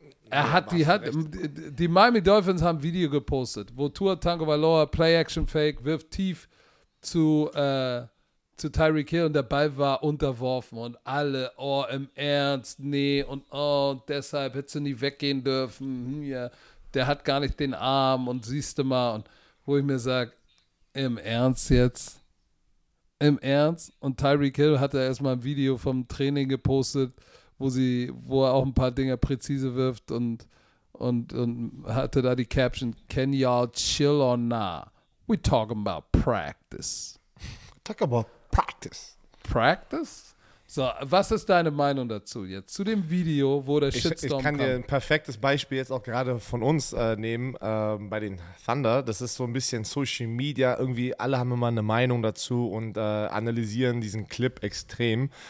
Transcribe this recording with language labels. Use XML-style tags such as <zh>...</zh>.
<de>Die Miami Dolphins haben ein Video gepostet, wo Tua Tagovailoa Play-Action-Fake wirft tief zu Tyreek Hill und der Ball war unterworfen und alle, oh, im Ernst, nee, und oh, deshalb hättest du nie weggehen dürfen, ja, der hat gar nicht den Arm und siehste mal, und wo ich mir sage, im Ernst jetzt? Im Ernst? Und Tyreek Hill hat da erstmal ein Video vom Training gepostet, wo er auch ein paar Dinge präzise wirft und hatte da die Caption,</de> <en>can y'all chill or nah? We talking about practice. Talk about practice. Practice?</en> <de>So, was ist deine Meinung dazu jetzt? Zu dem Video, wo der Shitstorm kam. Ich kann dir ein perfektes Beispiel jetzt auch gerade von uns nehmen, bei den Thunder. Das ist so ein bisschen Social Media. Irgendwie alle haben immer eine Meinung dazu und analysieren diesen Clip extrem.</de>